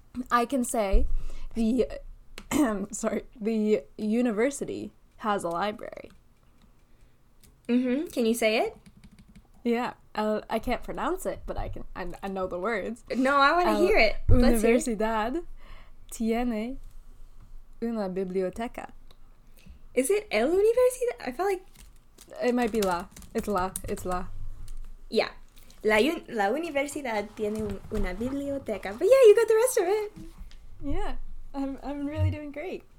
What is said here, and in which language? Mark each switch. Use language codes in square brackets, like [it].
[en] I can say the, the university has a library. Mm-hmm, can you say it? Yeah, I can't pronounce it, but I can, I know the words. No, I want to hear it. [es] Universidad tiene una biblioteca. [en] Is it [es] el universidad? [en] I feel like it might be la. It's la. [es] Yeah, la universidad tiene una biblioteca. [en] But yeah, you got the rest of it. Yeah, I'm really doing great.